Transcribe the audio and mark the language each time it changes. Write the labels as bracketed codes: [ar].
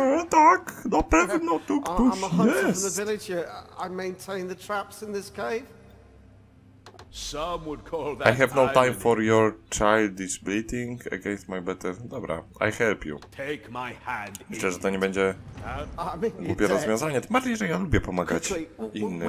[pl] Tak, na pewno tu ktoś jest. [en] I'm a hunter from the village. I maintain the traps in this cave. Some would call that. I have no time for your childish bleating against my better. Dobra, I help you. Take my hand. [pl] Myślę, że to nie będzie głupie rozwiązanie. Tym bardziej, że ja lubię pomagać innym.